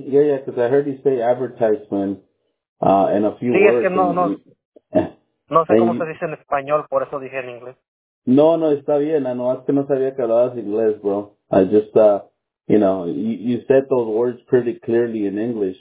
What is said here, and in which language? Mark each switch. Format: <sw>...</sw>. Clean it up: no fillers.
<en>Yeah, because I heard you say advertisement and a few</en> <es>sí,</es> <en>words.</en> <es>Sí, es que no. No sé cómo se dice en español, por eso dije en inglés. No, está bien. No, es que no sabía que hablabas inglés, bro.</es> <en>I just, you said those words pretty clearly in English.</en>